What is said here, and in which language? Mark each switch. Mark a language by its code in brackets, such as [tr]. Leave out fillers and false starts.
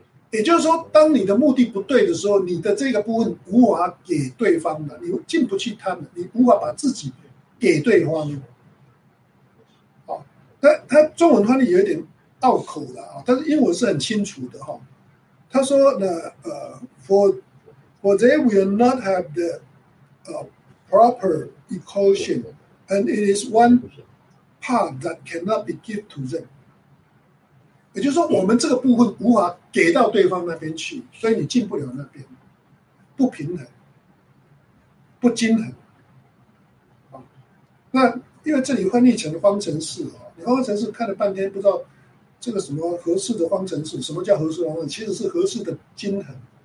[zh] 也就是说，当你的目的不对的时候，你的这个部分无法给对方的，你进不去他们，你无法把自己给对方。他中文翻译有点拗口了但是英文是很清楚的他说呢 [en] for they will not have the proper equation, and it is one part that cannot be given to them。 [zh] 也就是说我们这个部分无法给到对方那边去，所以你进不了那边，不平衡不均衡。那因为这里会逆成的方程式你方程式看了半天不知道这个什么合适的方程式，什么叫合适的方程式，其实是合适的均衡。